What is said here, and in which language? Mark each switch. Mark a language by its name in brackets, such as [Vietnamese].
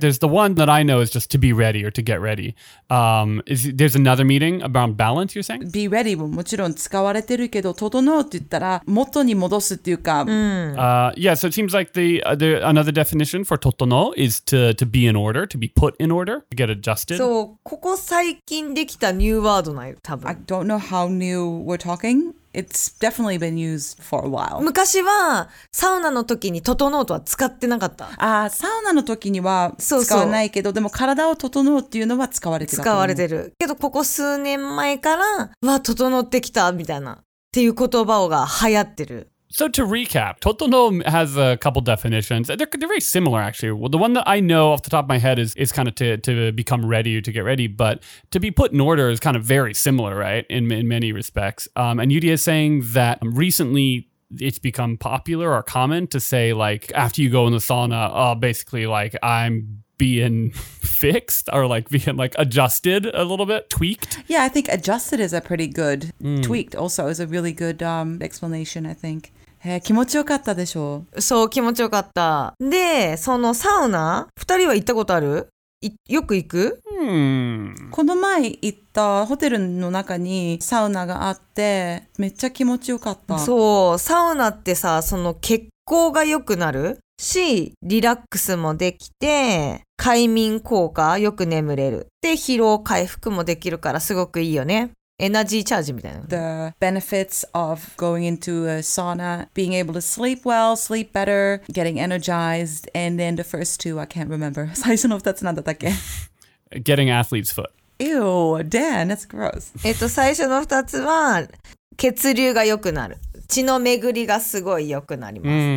[English] There's the one that I know is just to be ready or to get ready. There's another meaning about balance, you're saying? Be ready [Japanese] ももちろん使われてるけど、整うって言ったら元に戻すっていうか。 [English] So it seems like the another definition for 整う is to be in order, to be put in order, to get adjusted. [Japanese] そう、ここ最近できたニューワードなよ、多分。 [English] I don't know how new we're talking. It's definitely been used for a while. [Japanese] 昔はサウナの時に整うとは使ってなかった。ああ、サウナの時には使わないけど、そうそう、でも体を整うっていうのは使われてる。使われてる。けどここ数年前から、わ、整ってきたみたいなっていう言葉が流行ってる。 [English] So to recap, totono has a couple definitions. They're very similar, actually. Well, the one that I know off the top of my head is kind of to become ready or to get ready, but to be put in order is kind of very similar, right, in many respects. And Yudia is saying that recently it's become popular or common to say, like, after you go in the sauna, basically, like, I'm being fixed or, like, being, like, adjusted a little bit, tweaked. Yeah, I think adjusted is a pretty good, tweaked also is a really good explanation, I think. [Japanese] 気持ちよかったでしょう。そう、気持ちよかった。で、そのサウナ、二人は行ったことある？よく行く？この前行ったホテルの中にサウナがあって、めっちゃ気持ちよかった。そう、サウナってさ、その血行が良くなるし、リラックスもできて、快眠効果、よく眠れる。で、疲労回復もできるからすごくいいよね。 [English] Energy charge [Japanese] みたいな。 [English] The benefits of going into a sauna, being able to sleep well, sleep better, getting energized, and then the first two, I can't remember. [Japanese] 最初の二つなんだったっけ? [English] Getting athlete's foot. Ew, Dan, that's gross. [Japanese] 最初の二つは血流が良くなる。血の巡りがすごい良くなります。